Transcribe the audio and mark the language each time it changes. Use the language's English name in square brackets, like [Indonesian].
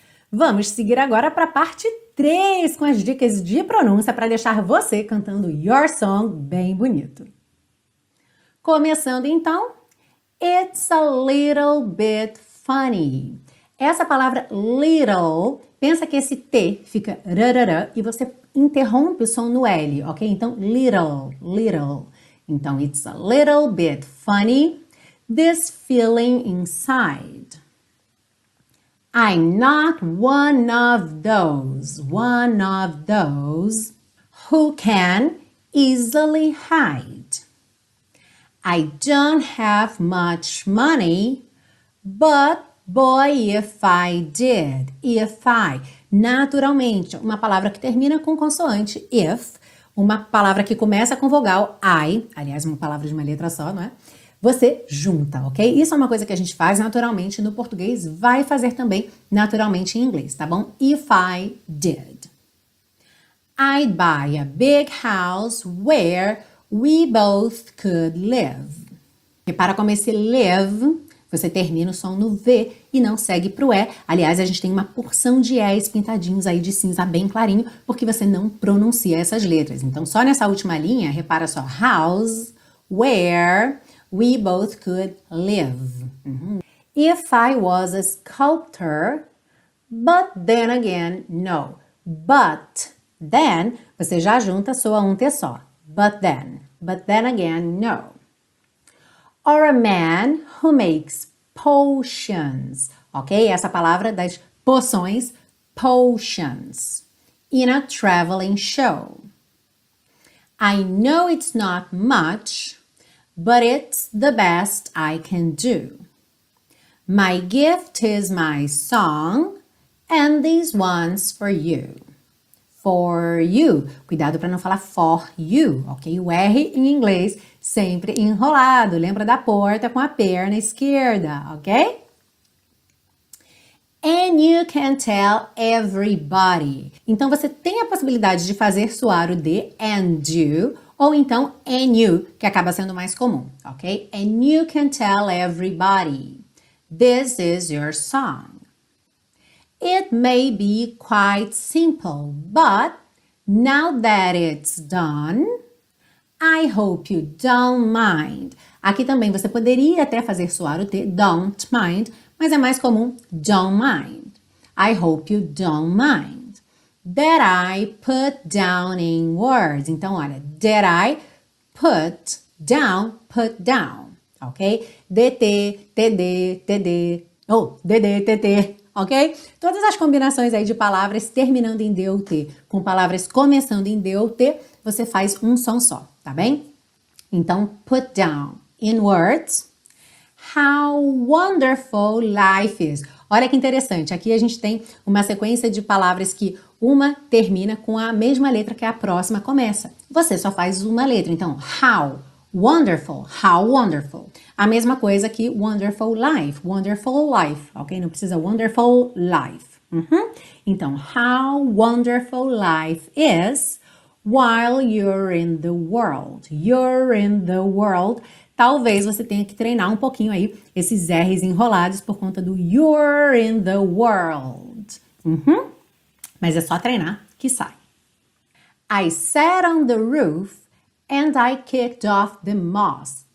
[Portuguese] Vamos seguir agora para a parte 3 com as dicas de pronúncia para deixar você cantando Your Song bem bonito. Começando então, [English] It's a little bit funny. [Portuguese] Essa palavra little, pensa que esse T fica rarara e você interrompe o som no L, ok? [English] Então, little, little. Então, it's a little bit funny. This feeling inside. I'm not one of those, one of those who can easily hide. I don't have much money, but boy, if I did, if I. [Portuguese] Naturalmente, uma palavra que termina com consoante, if, uma palavra que começa com vogal, I, aliás, uma palavra de uma letra só, não é? Você junta, ok? Isso é uma coisa que a gente faz naturalmente no português, vai fazer também naturalmente em inglês, tá bom? [English] If I did. I'd buy a big house where we both could live. [Portuguese] Repara como esse live, você termina o som no V e não segue pro E. Aliás, a gente tem uma porção de E's pintadinhos aí de cinza bem clarinho, porque você não pronuncia essas letras. Então, só nessa última linha, repara só. [English] House, where. We both could live. If I was a sculptor, but then again, no. But then, [Portuguese] você já junta, soa um T só. [English] But then again, no. Or a man who makes potions. Ok? [Portuguese] Essa palavra das poções, potions. [English] In a traveling show. I know it's not much. But it's the best I can do. My gift is my song, and these ones for you. For you. [Portuguese] Cuidado para não falar [English] for you, [Portuguese] ok? O R em inglês sempre enrolado. Lembra da porta com a perna esquerda, ok? [English] And you can tell everybody. [Portuguese] Então você tem a possibilidade de fazer soar o D [English] and you. [Portuguese] Ou então, [English] and you, [Portuguese] que acaba sendo mais comum, ok? [English] And you can tell everybody, this is your song. It may be quite simple, but now that it's done, I hope you don't mind. [Portuguese] Aqui também você poderia até fazer soar o T, [English] don't mind, [Portuguese] mas é mais comum, don't mind. [English] I hope you don't mind. That I put down in words. [Portuguese] Então, olha, [English] that I put down, [Portuguese] ok? DT, TD, TD, ou DD, TT, ok? Todas as combinações aí de palavras terminando em D ou T com palavras começando em D ou T, você faz um som só, tá bem? Então, [English] put down in words. How wonderful life is. [Portuguese] Olha que interessante, aqui a gente tem uma sequência de palavras que uma termina com a mesma letra que a próxima começa. Você só faz uma letra. Então, [English] how wonderful, how wonderful. [Portuguese] A mesma coisa que [English] wonderful life, [Portuguese] ok? Não precisa [English] wonderful life. Uhum. Então, how wonderful life is while you're in the world. You're in the world. [Portuguese] Talvez você tenha que treinar um pouquinho aí esses R's enrolados por conta do [English] you're in the world. [Portuguese] Uhum. Mas é só treinar que sai. [English] I sat on the roof and I kicked off the moss.